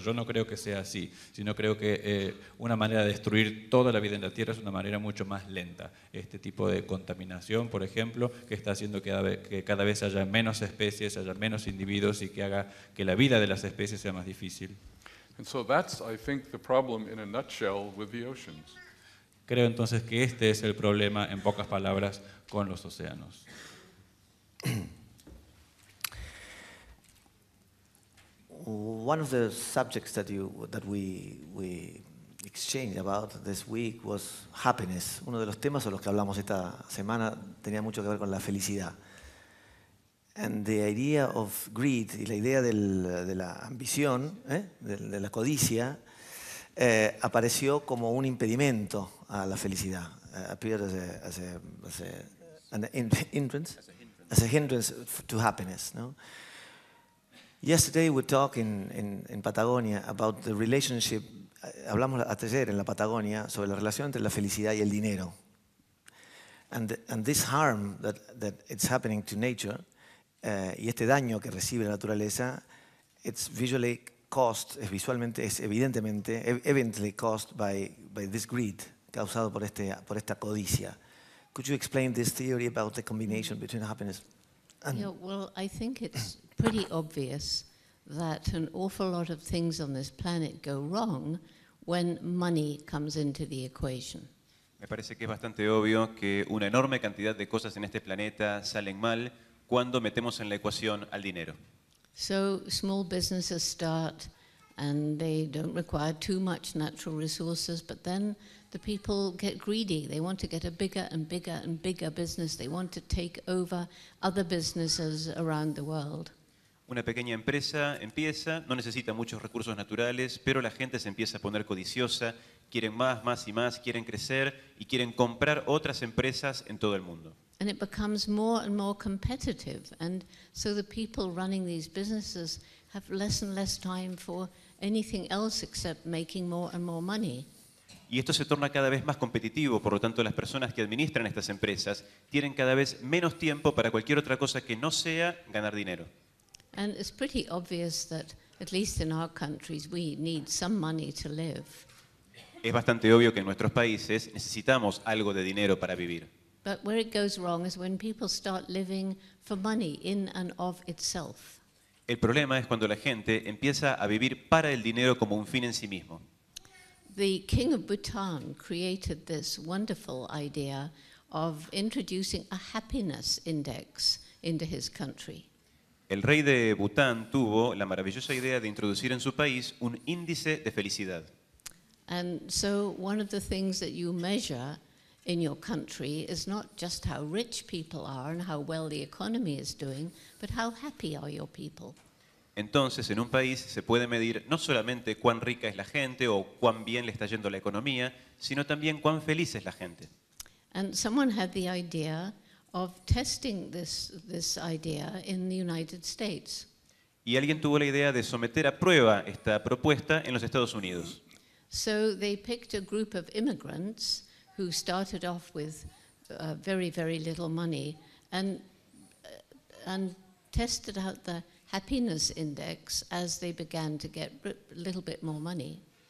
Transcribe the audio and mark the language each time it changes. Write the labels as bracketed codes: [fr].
[es] Yo no creo que sea así, sino creo que una manera de destruir toda la vida en la Tierra es una manera mucho más lenta. Este tipo de contaminación, por ejemplo, que está haciendo que cada vez haya menos especies, haya menos individuos y que haga que la vida de las especies sea más difícil. [en] And so that's, I think, the problem in a nutshell with the oceans. [es] Creo entonces que este es el problema, en pocas palabras, con los océanos. [en] One of the subjects that we exchanged about this week was happiness. [es] Uno de los temas sobre los que hablamos esta semana tenía mucho que ver con la felicidad. [en] And the idea of greed, [es] y la idea de la ambición, de la codicia, apareció como un impedimento a la felicidad. [en] Appeared as a hindrance to happiness. No? Yesterday we talked in Patagonia about the relationship. [es] Hablamos ayer en la Patagonia sobre la relación entre la felicidad y el dinero. [en] And this harm that it's happening to nature, [es] y este daño que recibe la naturaleza, [en] it's visually caused, [es] es visualmente, es evidentemente, [en] evidently caused by this greed, [es] causado por esta codicia. [en] Could you explain this theory about the combination between happiness and... Yeah, well, I think it's pretty obvious that an awful lot of things on this planet go wrong when money comes into the equation. [es] Me parece que es bastante obvio que una enorme cantidad de cosas en este planeta salen mal cuando metemos en la ecuación al dinero. [en] So small businesses start and they don't require too much natural resources, but then the people get greedy. They want to get a bigger and bigger and bigger business. They want to take over other businesses around the world. [es] Una pequeña empresa empieza, no necesita muchos recursos naturales, pero la gente se empieza a poner codiciosa, quieren más, más y más, quieren crecer y quieren comprar otras empresas en todo el mundo. [en] And it becomes more and more competitive, and so the people running these businesses have less and less time for anything else except making more and more money. [es] Y esto se torna cada vez más competitivo, por lo tanto las personas que administran estas empresas tienen cada vez menos tiempo para cualquier otra cosa que no sea ganar dinero. [en] And it's pretty obvious that at least in our countries we need some money to live. [es] Es bastante obvio que en nuestros países necesitamos algo de dinero para vivir. [en] But where it goes wrong is when people start living for money in and of itself. [es] El problema es cuando la gente empieza a vivir para el dinero como un fin en sí mismo. [en] The king of Bhutan created this wonderful idea of introducing a happiness index into his country. [es] El rey de Bután tuvo la maravillosa idea de introducir en su país un índice de felicidad. [en] And so one of the things that you measure in your country is not just how rich people are and how well the economy is doing, but how happy are your people. [es] Entonces, en un país se puede medir no solamente cuán rica es la gente o cuán bien le está yendo la economía, sino también cuán feliz es la gente. [en] And someone had the idea of testing this idea in the United States. [es] Y alguien tuvo la idea de someter a prueba esta propuesta en los Estados Unidos. [en] So they picked a group of immigrants who started off with very, very little money and tested out the happiness index as they began to get a little bit more money.